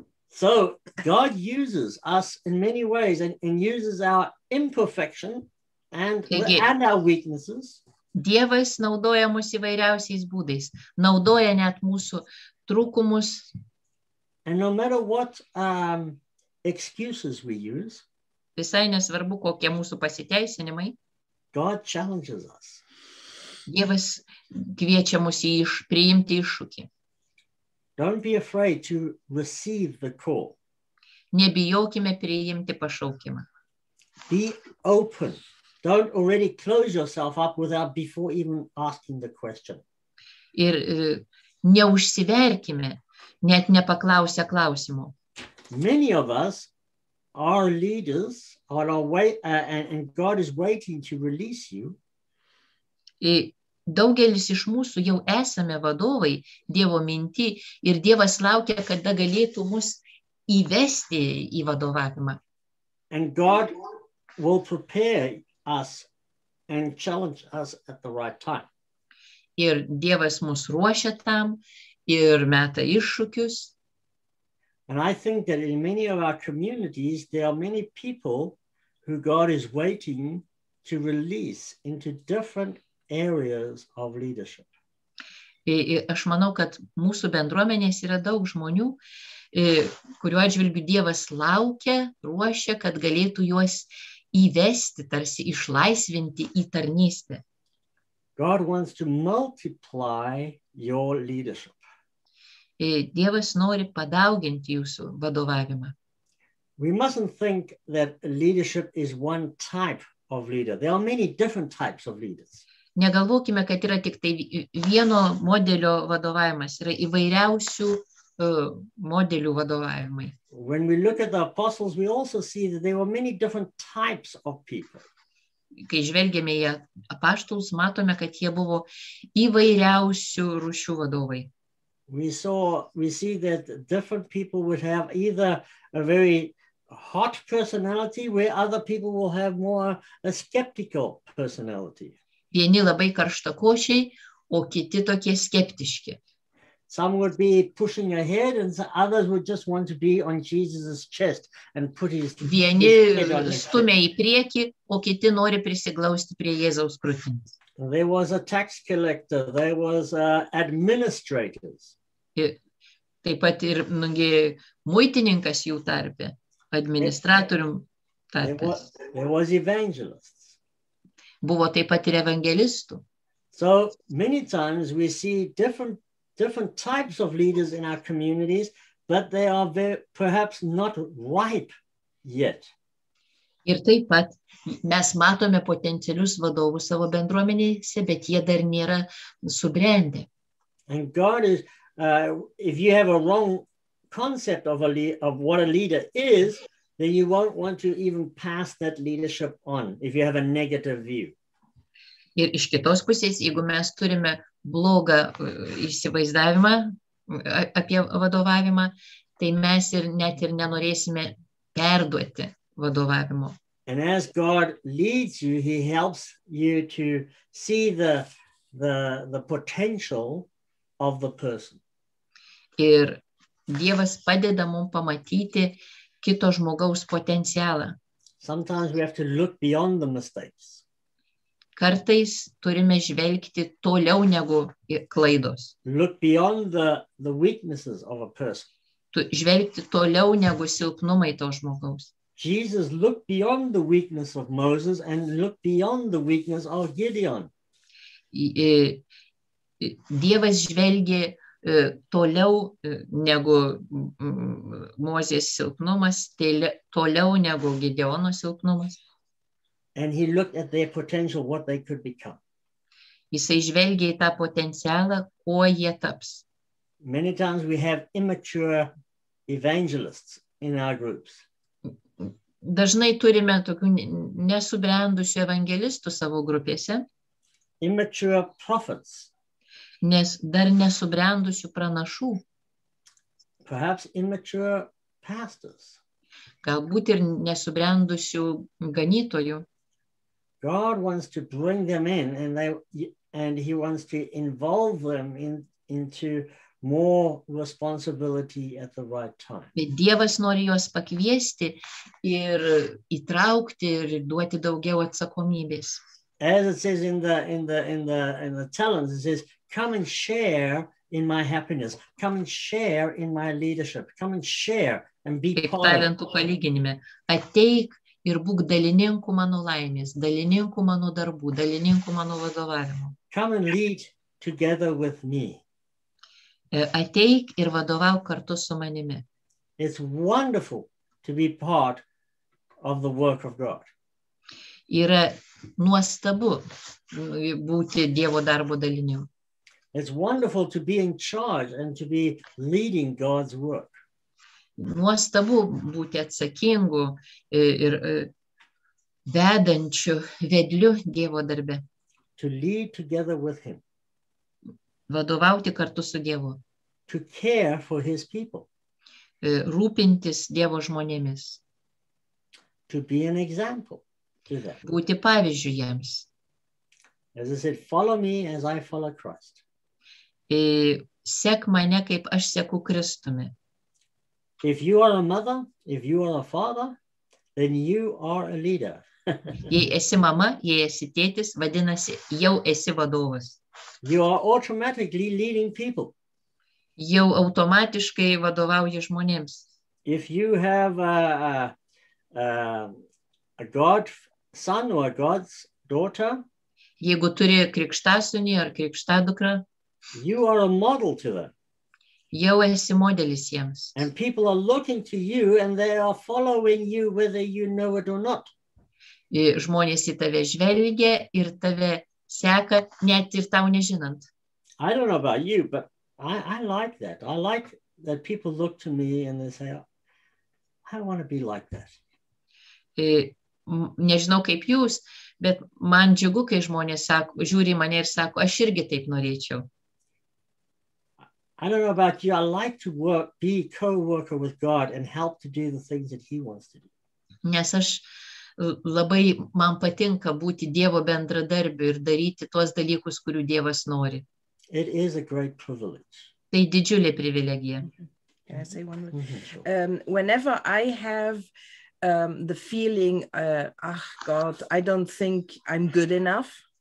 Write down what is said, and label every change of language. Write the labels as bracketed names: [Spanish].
[English] So God uses us in many ways and uses our imperfection and our weaknesses. [Lithuanian] Dievas naudoja mus įvairiausiais būdais. Naudoja net mūsų trūkumus. [English] And no matter what excuses we use. [Lithuanian] Visai nesvarbu, kokie mūsų pasiteisinimai. [English] God challenges us. [Lithuanian] Dievas kviečia mus priimti iššūkį. [English] Don't be afraid to receive the call. [Lithuanian] Nebijokime priimti pašaukimą. [English] Be open. Don't already close yourself up without before even asking the question. [Lithuanian] Ir neužsiverkime, net nepaklausę klausimų. [English] Many of us are leaders on our way and God is waiting to release you. [Lithuanian] Daugelis iš mūsų jau esame vadovai Dievo minti ir Dievas laukia, kada galėtų mus įvesti į vadovavimą. [English] And God will prepare us and challenge us at the right time. [Lithuanian] Ir Dievas mus ruošia tam ir meta iššūkius. [English] And I think that in many of our communities there are many people who God is waiting to release into different areas of leadership. [Lithuanian] Aš manau, kad mūsų bendruomenės yra daug žmonių, kurių atžvilgių Dievas laukia, ruošia, kad galėtų juos įvesti, tarsi išlaisvinti į tarnystę. [English] God wants to multiply your leadership. [Lithuanian] Dievas nori padauginti jūsų vadovavimą. [English] We mustn't think that leadership is one type of leader. There are many different types of leaders. [Lithuanian] Negalvokime, kad yra tik tai vieno modelio vadovavimas, yra įvairiausių modelių vadovavimai. [English] When we look at the apostles, we also see that there were many different types of people. [Lithuanian] Kai žvelgėme į apaštalus, matome, kad jie buvo įvairiausių rūšių vadovai. [English] We see that different people would have either a very hot personality, where other people will have more a skeptical personality. [Lithuanian] Vieni labai karštakošiai, o kiti tokie skeptiški. [English] Some would be pushing ahead and others would just want to be on Jesus's chest and put his [Lithuanian] Vieni stumia į priekį, o kiti nori prisiglausti prie Jėzaus krūtinės. [English] There was a tax collector, there was administrators. [Lithuanian] Taip pat ir nungi muitininkas jų tarpė, administratorium tarpė. [English] There was evangelists. [Lithuanian] Buvo taip pat ir evangelistų. [English] So many times we see different types of leaders in our communities, but they are perhaps not ripe yet. [Lithuanian] Ir taip pat mes matome potencialius vadovus savo bendruomenėse, bet jie dar nėra subrendę. [English] And God is, if you have a wrong concept of what a leader is, then you won't want to even pass that leadership on, if you have a negative view. [Lithuanian] Ir iš kitos pusės, jeigu mes turime blogą įsivaizdavimą apie vadovavimą, tai mes ir net ir nenorėsime perduoti vadovavimo. [English] And as God leads you, he helps you to see the potential of the person. [Lithuanian] Ir Dievas padeda mums pamatyti kito žmogaus potencialą. [English] Sometimes we have to look beyond the mistakes. [Lithuanian] Kartais turime žvelgti toliau negu klaidos. [English] Look beyond the weaknesses of a person. [Lithuanian] Žvelgti toliau negu silpnumai to žmogaus. [English] Jesus looked beyond the weakness of Moses and looked beyond the weakness of Gideon. [Lithuanian] Dievas žvelgė toliau negu Mozės silpnumas, toliau negu Gideono silpnumas. [English] And he looked at their potential, what they could become. [Lithuanian] Jisai žvelgė į tą potencialą, kuo jie taps. [English] Many times we have immature evangelists in our groups. [Lithuanian] Dažnai turime tokių nesubrendusių evangelistų savo grupėse. [English] Immature prophets. [Lithuanian] Nes dar nesubrendusių pranašų. [English] Perhaps immature pastors. [Lithuanian] Galbūt ir nesubrendusių ganytojų. [English] God wants to bring them in and he wants to involve them into more responsibility at the right time. [Lithuanian] Bet Dievas nori juos pakviesti ir įtraukti ir duoti daugiau atsakomybės. [English] As it says in the talents, it says, come and share in my happiness, come and share in my leadership, come and share and be [Lithuanian] kaip [English] part. [Lithuanian] Talentų palyginime, ateik ir būk dalininku mano laimės, dalininku mano darbų, dalininku mano vadovavimo. [English] Come and lead together with me. [Lithuanian] Ateik ir vadovau kartu su manimi. [English] It's wonderful to be part of the work of God. [Lithuanian] Yra nuostabu būti Dievo darbo daliniu. [English] It's wonderful to be in charge and to be leading God's work. [Lithuanian] Nuostabu būti atsakingu ir vedančiu, vedliu Dievo darbe. [English] To lead together with him. [Lithuanian] Vadovauti kartu su Dievu. [English] To care for his people. [Lithuanian] Rūpintis Dievo žmonėmis. [English] To be an example to them. [Lithuanian] Būti pavyzdžiui jiems. [English] As I said, follow me as I follow Christ. [Lithuanian] Sek mane, kaip aš seku Kristumi. [English] If you are a mother, if you are a father, then you are a leader. [Lithuanian] Jei esi mama, jei esi tėtis, vadinasi, jau esi vadovas. [English] You are automatically leading people. [Lithuanian] Jau automatiškai vadovauji žmonėms. [English] If you have a God son or a God's daughter, [Lithuanian] jeigu turi krikštasūnį ar krikštadukrą, [English] you are a model to them. [Lithuanian] Jau esi modelis jiems. [English] And people are looking to you and they are following you whether you know it or not. [Lithuanian] Žmonės į tave žvelgia ir tave seka net ir tau nežinant. [English] I don't know about you, but I like that. I like that people look to me and they say, oh, I want to be like that. [Lithuanian] Nežinau kaip jūs, bet man džiugu, kai žmonės sako, žiūri mane ir sako, aš irgi taip norėčiau. [English] I don't know about you, I like to work, be co-worker with God and help to do the things that he wants to do. [Lithuanian] Nes aš labai man patinka būti Dievo bendradarbiu ir daryti tuos dalykus, kurių Dievas nori. [English] It is a great privilege. [Lithuanian] Tai didžiulė privilegija. [English] Can I say one word? Whenever I have the feeling, God, I don't think I'm good enough.